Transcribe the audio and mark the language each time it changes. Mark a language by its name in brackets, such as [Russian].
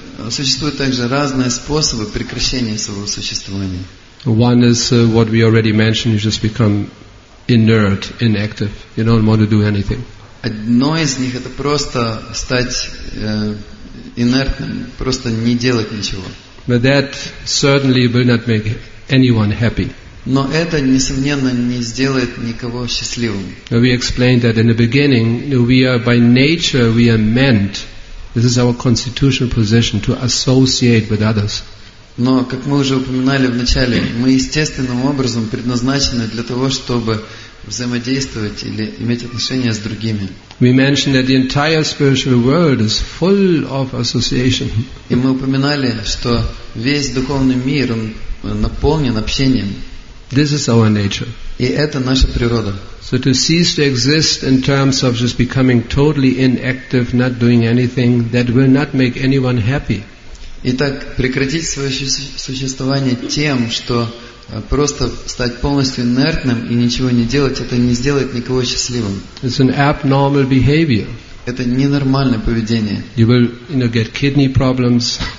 [Russian] Существуют также разные способы прекращения своего существования. [English] One is what we already mentioned, you just become inert, inactive. You don't want to do anything. [Russian] Одно из них это просто стать инертным, просто не делать ничего. [English] But that certainly will not make anyone happy. [Russian] Но это, несомненно, не сделает никого счастливым. [English] We explained that in the beginning, we are by nature, we are meant, this is our constitutional position, to associate with others. [Russian] Но, как мы уже упоминали в начале, мы естественным образом предназначены для того, чтобы взаимодействовать или иметь отношения с другими. [English] We mentioned that the entire spiritual world is full of association. [Russian] И мы упоминали, что весь духовный мир, он наполнен общением. [English] This is our nature. [Russian] И это наша природа. [English] So to cease to exist in terms of just becoming totally inactive, not doing anything, that will not make anyone happy. [Russian] Итак, прекратить свое существование тем, что просто стать полностью инертным и ничего не делать, это не сделает никого счастливым. [English] It's an abnormal behavior. [Russian] Это ненормальное поведение. [English] You will, you know, get kidney problems.